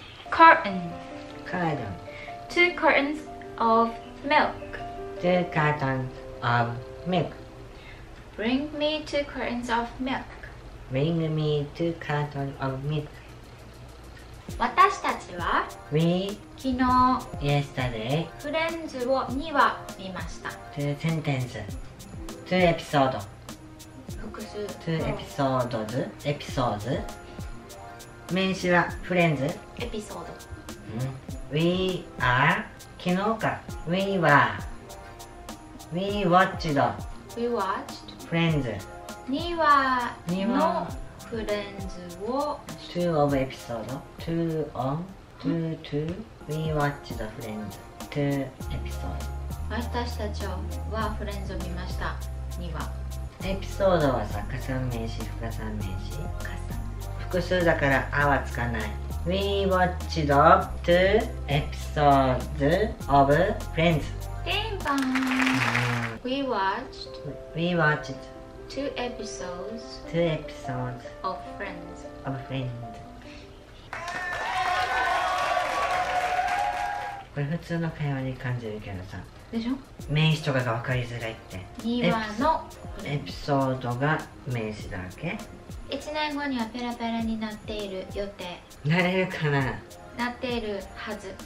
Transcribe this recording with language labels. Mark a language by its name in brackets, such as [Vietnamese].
[English] Curtain. Curtain. Two curtains of milk. Two cartons of milk. Bring me two curtains of milk. Bring me two cartons of milk. [Japanese] 私たちは [English] We [Japanese] 昨日 [English] Yesterday [Japanese] フレンズを2話見ました [English] Two sentences Two episodes [Japanese] 複数 [English] Two episodes Episodes 名詞はフレンズ Episode、うん、 We are 昨日か We were We watched We watched [Japanese] フレンズ 2話のフレンズを [English] 2 of episode 2 on 2 2 We watch the friends 2 episode [Japanese] 私たちはフレンズを見ました2話エピソードはさ加算名詞不加算名詞加算複数だからあはつかない We watch the 2 episodes of friends [English] ピンポン We watched We watchedTwo episodes of Friends. [Japanese] これ普通の会話に感じるけどさ。でしょ？名詞とかが分かりづらいって。 2話のエピソードが名詞だっけ？1 年後にはペラペラになっている予定。なれるかな？なっているはず。